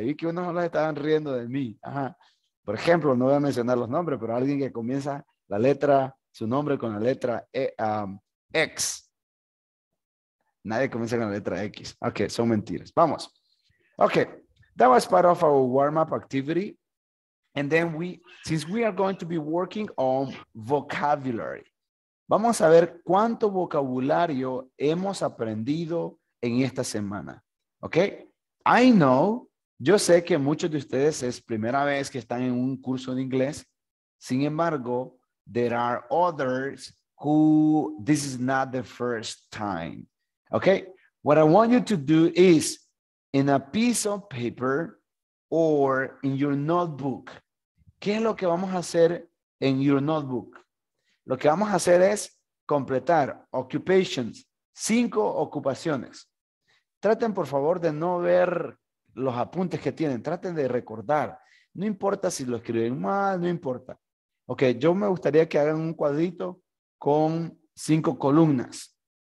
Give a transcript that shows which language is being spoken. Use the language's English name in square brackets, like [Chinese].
[Spanish] Y vi que unos los estaban riendo de mí. Ajá. Por ejemplo, no voy a mencionar los nombres, pero alguien que comienza la letra, su nombre con la letra e, X. Nadie comienza con la letra X. Ok, son mentiras. Vamos. [English] Ok, that was part of our warm-up activity. And then since we are going to be working on vocabulary, [Spanish] vamos a ver cuánto vocabulario hemos aprendido en esta semana. [English] Ok, I know, [Spanish] yo sé que muchos de ustedes es primera vez que están en un curso de inglés. Sin embargo, [English] there are others who this is not the first time. Okay, what I want you to do is in a piece of paper or in your notebook. [Spanish] ¿Qué es lo que vamos a hacer en [English] your notebook? [Spanish] Lo que vamos a hacer es completar occupations, 5 ocupaciones. Traten por favor de no ver los apuntes que tienen, traten de recordar. No importa si lo escriben mal, no importa. Okay, yo me gustaría que hagan un cuadrito con 5 columnas.